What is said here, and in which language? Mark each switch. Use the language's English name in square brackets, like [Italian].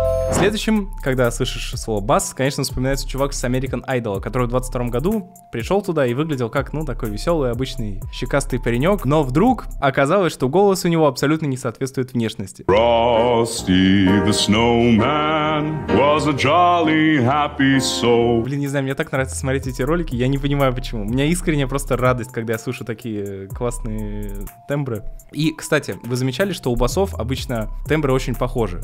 [Russian] В следующем, когда слышишь слово «бас», конечно, вспоминается чувак с American Idol, который в 22 году пришел туда и выглядел как, ну, такой веселый, обычный, щекастый паренек, но вдруг оказалось, что голос у него абсолютно не соответствует внешности. [English] Frosty the Snowman was a jolly happy soul. [Russian] Блин, не знаю, мне так нравится смотреть эти ролики, я не понимаю почему. У меня искренняя просто радость, когда я слышу такие классные тембры. И, кстати, вы замечали, что у басов обычно тембры очень похожи?